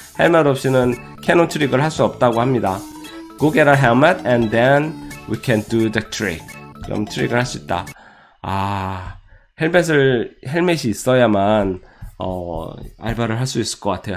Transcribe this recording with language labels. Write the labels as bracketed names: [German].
[Korean] 헬멧 없이는 캐논 트릭을 할 수 없다고 합니다. [English] Go get a helmet and then we can do the trick. [Korean] 그럼 트릭을 할 수 있다. 아, 헬멧이 있어야만 알바를 할 수 있을 것 같아요.